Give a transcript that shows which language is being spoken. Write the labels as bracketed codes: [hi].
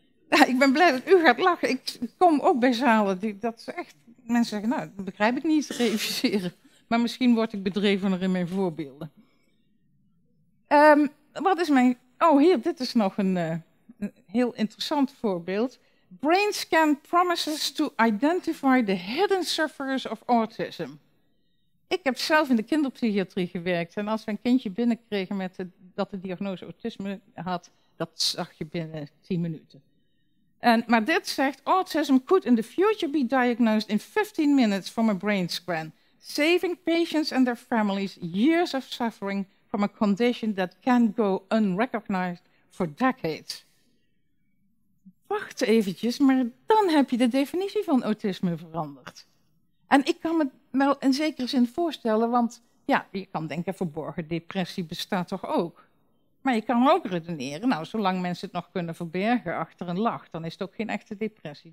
[nl] Ja, ik ben blij dat u gaat lachen. Ik kom ook bij zalen die dat ze echt. Mensen zeggen, nou, dat begrijp ik niet, reviseren. Maar misschien word ik bedrevener in mijn voorbeelden. Wat is mijn. Oh, hier, dit is nog een heel interessant voorbeeld. [en] Brainscan promises to identify the hidden sufferers of autism. [nl] Ik heb zelf in de kinderpsychiatrie gewerkt en als we een kindje binnenkregen met dat de diagnose autisme had, dat zag je binnen 10 minuten. Maar dit zegt, [en] autism could in the future be diagnosed in 15 minutes from a brain scan, saving patients and their families years of suffering from a condition that can go unrecognized for decades. [nl] Wacht eventjes, maar dan heb je de definitie van autisme veranderd. En ik kan me wel in zekere zin voorstellen, want ja, je kan denken, verborgen depressie bestaat toch ook. Maar je kan ook redeneren, nou, zolang mensen het nog kunnen verbergen achter een lach, dan is het ook geen echte depressie.